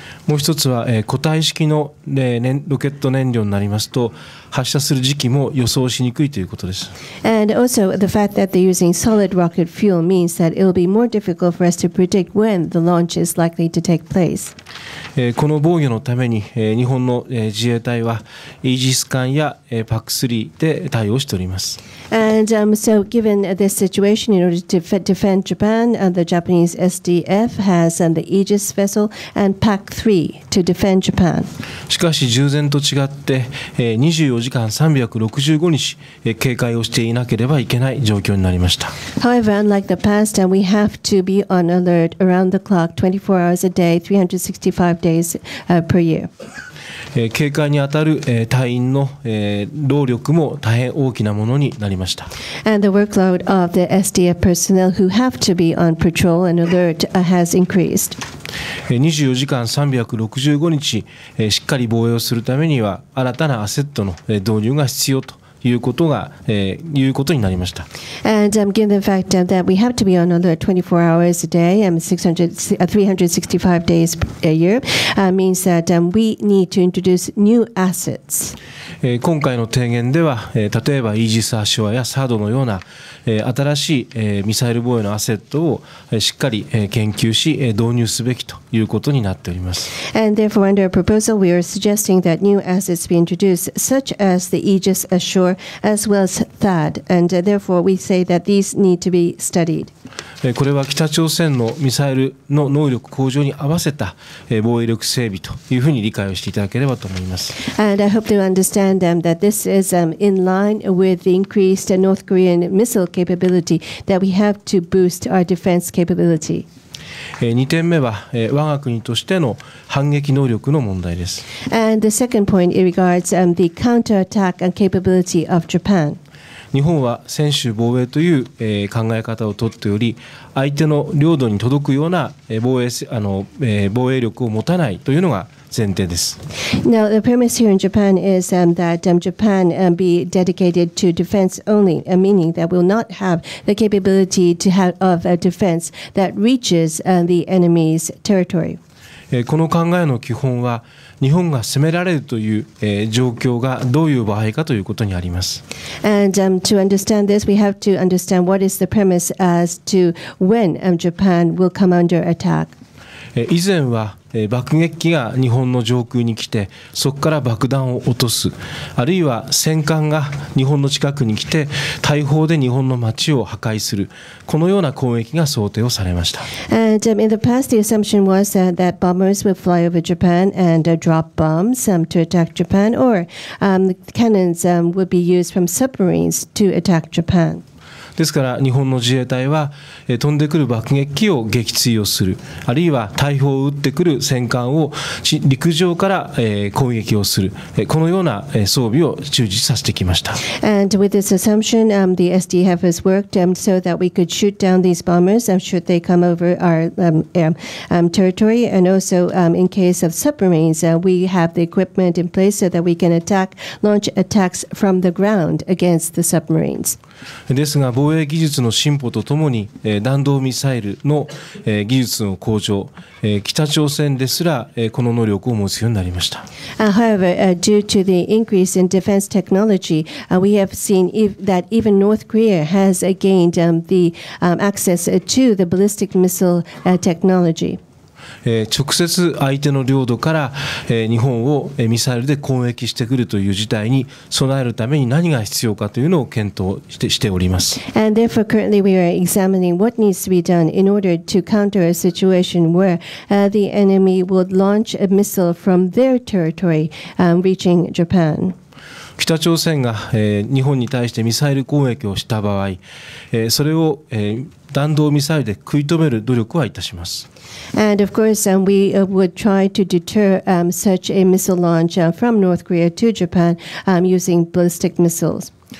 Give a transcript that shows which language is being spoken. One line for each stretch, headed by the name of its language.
Japanese: もう一つは、固体式の、ロケット燃料になりますと発射する時期も予想しにくいということです。
English: And also the fact that they're using solid rocket fuel means that it'll be more difficult for us to predict when the launch is likely to take place.
Japanese: この防御のために、日本の、自衛隊はイージス艦や、PAC-3 で対応しております。
English: And so given this situation, in order to defend Japan, the Japanese SDF has the Aegis vessel and PAC-3 to defend Japan.
Japanese: しかし従前と違って、24時間365日警戒をしていなければいけない状況になりました。
English: However, unlike the past, we have to be on alert around the clock 24 hours a day, 365 days per year.
Japanese: 警戒に当たる隊員の労力も大変大きなものになりました。
English: And the workload of the SDF personnel who have to be on patrol and alert has increased.
Japanese: 24時間365日しっかり防衛をするためには新たなアセットの導入が必要ということが、いうことになりました。
English: And given the fact that we have to be on alert 24 hours a day 365 days a year means that we need to introduce new assets.
Japanese: 今回の提言では、例えばイージスアショアやサードのような、新しい、ミサイル防衛のアセットを、しっかり、研究し、導入すべきということになっております。
English: And therefore under a proposal we are suggesting that new assets be introduced such as the Aegis AshoreAs well as THAAD, and therefore we say that these need to be studied.
Japanese: これは北朝鮮のミサイルの能力向上に合わせた防衛力整備というふうに理解をしていただければと思います。
English: And I hope to understand that this is in line with the increased North Korean missile capability that we have to boost our defense capability.
Japanese: 2点目は我が国としての反撃能力の問題です。
English: And the second point regards the counter-attack capability of Japan.
Japanese: 日本は専守防衛という考え方を取っており、相手の領土に届くような防衛力を持たないというのが前提です。
English: Now the premise here in Japan is that Japan be dedicated to defense only, meaning that we'll not have the capability to have of a defense that reaches the enemy's territory.
Japanese: この考えの基本は日本が攻められるという状況がどういう場合かということにあります。
English: And to understand this, we have to understand what is the premise as to when Japan will come under attack.
Japanese: 以前は爆撃機が日本の上空に来て、そこから爆弾を落とす、あるいは戦艦が日本の近くに来て大砲で日本の町を破壊する、このような攻撃が想定をされました。
English: And, in the past the assumption was that bombers would fly over Japan and drop bombs to attack Japan, or cannons would be used from submarines to attack Japan。
Japanese: ですから日本の自衛隊は飛んでくる爆撃機を撃墜をする、あるいは大砲を撃ってくる戦艦を陸上から攻撃をする、このような装備を充実させてきました。
English: And with this assumption, the SDF has worked so that we could shoot down these bombers should they come over our territory, and also in case of submarines, we have the equipment in place so that we can launch attacks from the ground against the submarines。
Japanese: ですが防衛技術の進歩とともに弾道ミサイルの技術の向上、北朝鮮ですらこの能力を持つようになりました。
English: However, due to the increase in defense technology, we have seen that even North Korea has gained the access to the ballistic missile technology。
Japanese: 直接相手の領土から日本をミサイルで攻撃してくるという事態に備えるために何が必要かというのを検討しております。
English: And therefore currently we are examining what needs to be done in order to counter a situation where the enemy would launch a missile from their territory reaching Japan。
Japanese: 北朝鮮が日本に対してミサイル攻撃をした場合、それを弾道ミサイルで食い止める努力はいたします。
English: And of course we would try to deter such a missile launch from North Korea to Japan using ballistic missiles。